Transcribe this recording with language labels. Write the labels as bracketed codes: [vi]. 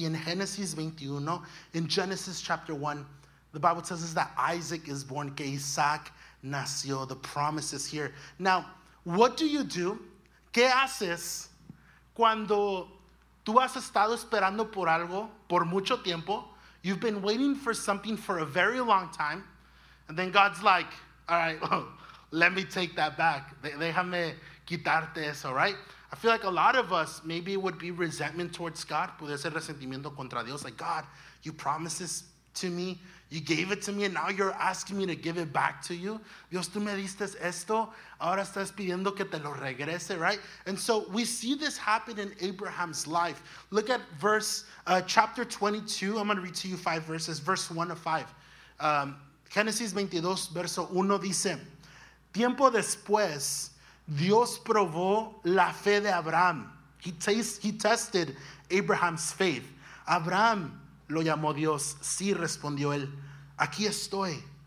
[en] Y en Genesis 21, in Genesis chapter 1, the Bible says is that Isaac is born. [es] Que Isaac nació. [en] The promise is here. Now, what do you do? [es] ¿Qué haces cuando tú has estado esperando por algo por mucho tiempo? [en] You've been waiting for something for a very long time. And then God's like, all right, well, let me take that back. [es] Déjame quitarte eso, [en] right? I feel like a lot of us, maybe it would be resentment towards God. [es] Puede ser resentimiento contra Dios. [en] Like, God, you promised this to me. You gave it to me, and now you're asking me to give it back to you. [es] Dios, tú me diste esto. Ahora estás pidiendo que te lo regrese, right? [en] And so we see this happen in Abraham's life. Look at chapter 22. I'm going to read to you five verses, verse 1 to 5. [es] Genesis 22, verso 1 dice, tiempo después, Dios probó la fe de Abraham. [en] He tested Abraham's faith. Abraham [es] lo llamó Dios. Sí, respondió él. Aquí estoy.